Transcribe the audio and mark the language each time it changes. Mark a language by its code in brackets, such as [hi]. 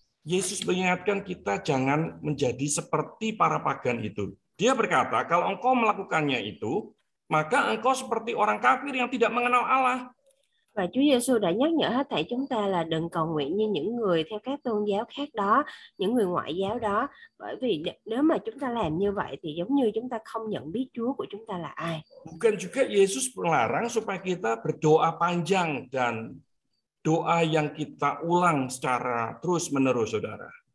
[id] Yesus mengingatkan kita jangan menjadi seperti para pagan itu. Dia berkata, kalau engkau melakukannya itu, maka engkau seperti orang kafir yang tidak mengenal Allah. [vi] Và Chúa Giêsu đã nhắc nhở hết thảy chúng ta là đừng cầu nguyện như những người theo các tôn giáo khác đó, những người ngoại giáo đó, bởi vì nếu mà chúng ta làm như vậy thì giống như chúng ta không nhận biết Chúa của chúng ta là ai. [id] Bukan juga Yesus melarang supaya kita berdoa panjang dan doa yang kita ulang secara terus menerus, saudara.